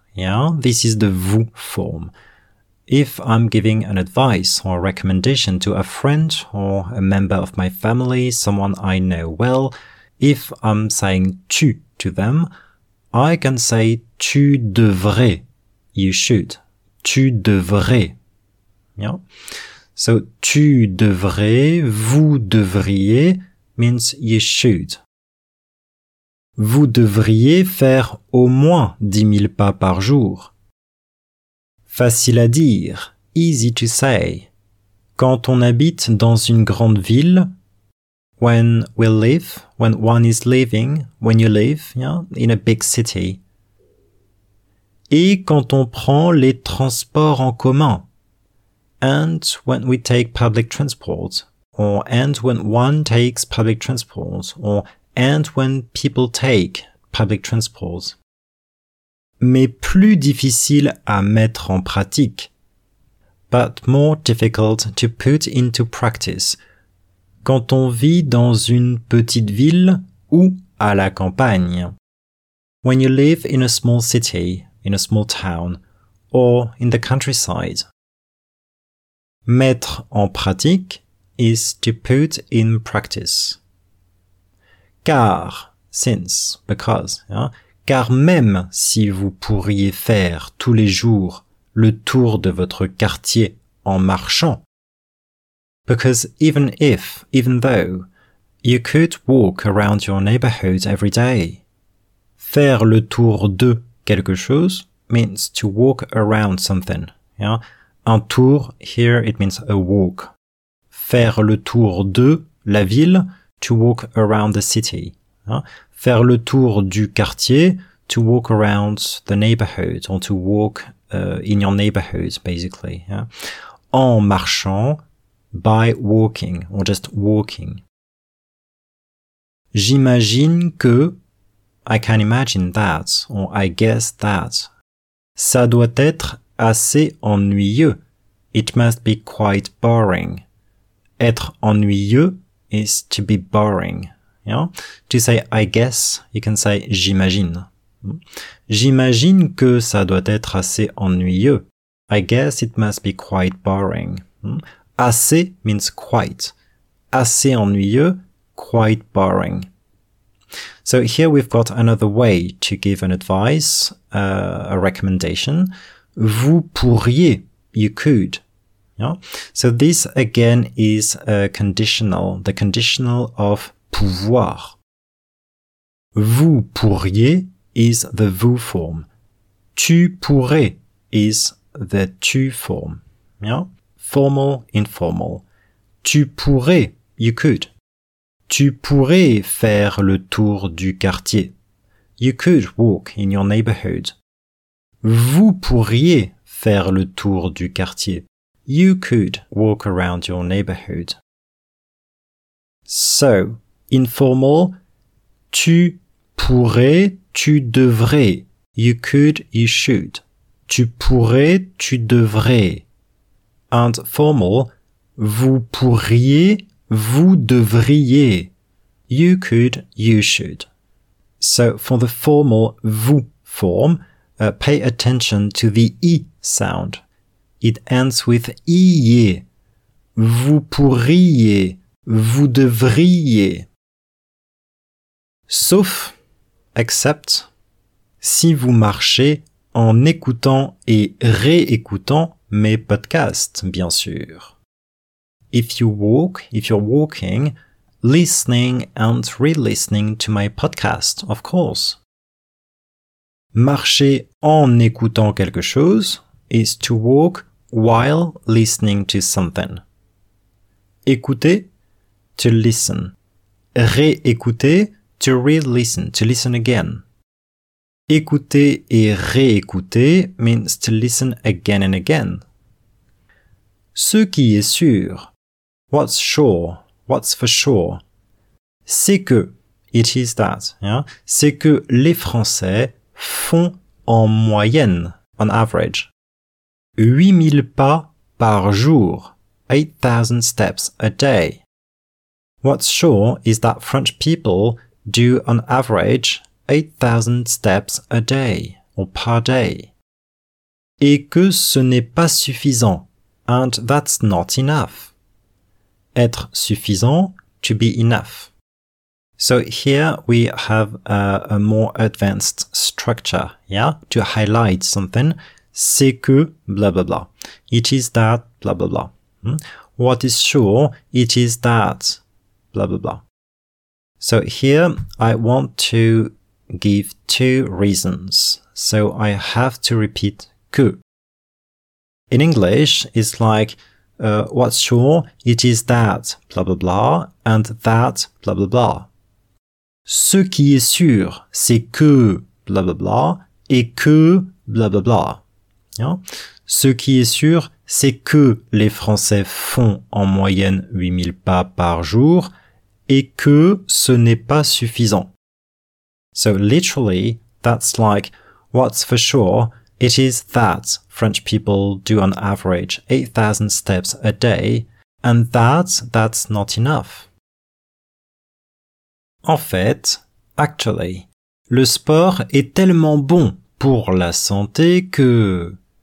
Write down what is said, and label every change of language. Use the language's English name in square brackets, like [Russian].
[English] Yeah, this is the vous form. If I'm giving an advice or a recommendation to a friend or a member of my family, someone I know well, if I'm saying tu to them, I can say [French] tu devrais, [English] you should. [French] Tu devrais. Yeah. [English] So [French] tu devrais, vous devriez [English] means you should. [French] Vous devriez faire au moins 10 000 pas par jour. Facile à dire, [English] easy to say. [French] Quand on habite dans une grande ville, [English] when we live, when one is living, when you live, yeah, in a big city. [French] Et quand on prend les transports en commun. [English] And when we take public transport, or and when one takes public transport, or and when people take public transport. [French] Mais plus difficile à mettre en pratique. [English] But more difficult to put into practice. [French] Quand on vit dans une petite ville ou à la campagne. [English] When you live in a small city, in a small town, or in the countryside. [French] Mettre en pratique [English] is to put in practice. [French] Car, [English] since, because, yeah, [French] car même si vous pourriez faire tous les jours le tour de votre quartier en marchant. [English] Because even if, even though, you could walk around your neighborhood every day. [French] Faire le tour de quelque chose [English] means to walk around something, yeah. Un tour, here it means a walk. [French] Faire le tour de la ville, [English] to walk around the city. [French] Faire le tour du quartier, [English] to walk around the neighborhood, or to walk in your neighborhood, basically. [French] En marchant, [English] by walking, or just walking. [French] J'imagine que, [English] I can imagine that, or I guess that. [French] Ça doit être assez ennuyeux. [English] It must be quite boring. [French] Être ennuyeux [English] is to be boring. Yeah? To say I guess, you can say j'imagine. [French] J'imagine que ça doit être assez ennuyeux. [English] I guess it must be quite boring. [French] Assez [English] means quite. [French] Assez ennuyeux, [English] quite boring. So here we've got another way to give an advice, a recommendation. [French] Vous pourriez, [English] you could. Yeah. So this again is a conditional, the conditional of pouvoir. [French] Vous pourriez [English] is the vous form. [French] Tu pourrais [English] is the tu form. Yeah. Formal, informal. [French] Tu pourrais, [English] you could. [French] Tu pourrais faire le tour du quartier. [English] You could walk in your neighborhood. [French] Vous pourriez faire le tour du quartier. [English] You could walk around your neighborhood. So, informal, [French] tu pourrais, tu devrais. [English] You could, you should. [French] Tu pourrais, tu devrais. [English] And formal, [French] vous pourriez, vous devriez. [English] You could, you should. So, for the formal vous form, pay attention to the I sound. It ends with iez. [French] Vous pourriez, vous devriez. Sauf, [English] except, [French] si vous marchez en écoutant et réécoutant mes podcasts, bien sûr. [English] If you walk, if you're walking, listening and re-listening to my podcast, of course. [French] Marcher en écoutant quelque chose [English] is to walk while listening to something. Écouter, to listen. Réécouter, to re-listen, to listen again. [French] Écouter et réécouter [English] means to listen again and again. [French] Ce qui est sûr, [English] what's sure, what's for sure, [French] c'est que, [English] it is that, yeah? [French] C'est que les Français font en moyenne, [English] on average, [French] 8000 pas par jour, [English] 8000 steps a day. What's sure is that French people do on average 8000 steps a day, or per day. [French] Et que ce n'est pas suffisant, [English] and that's not enough. [French] Être suffisant, [English] to be enough. So here we have a more advanced structure, yeah? To highlight something, [French] c'est que [English] blah blah blah. It is that blah blah blah. What is sure, it is that blah blah blah. So here I want to give two reasons. So I have to repeat [French] que. [English] In English, it's like what's sure, it is that blah blah blah and that blah blah blah. [French] Ce qui est sûr, c'est que blah blah blah et que blah blah blah. Yeah? Ce qui est sûr, c'est que les Français font en moyenne 8000 pas par jour et que ce n'est pas suffisant. [English] So literally, that's like, what's for sure, it is that French people do on average 8000 steps a day and that's not enough. [French] En fait, actually, le sport est tellement bon pour la santé que...